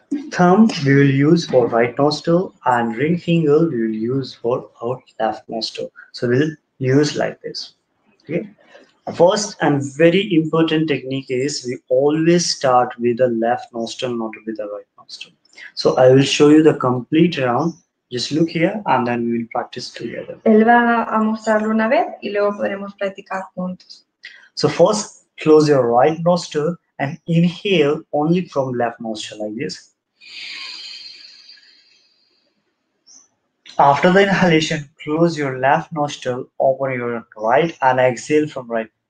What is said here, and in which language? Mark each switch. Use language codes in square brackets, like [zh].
[en] Thumb we will use for right nostril, and ring finger we will use for our left nostril. So we'll use like this. Okay, first and very important technique is we always start with the left nostril, not with the right nostril. So I will show you the complete round. Just look here and then we will practice together. [es] Él va a mostrarlo una vez y luego podremos practicar juntos. [en] So first close your right nostril and inhale only from left nostril like this. After the inhalation, close your left nostril, open your right, and exhale from right.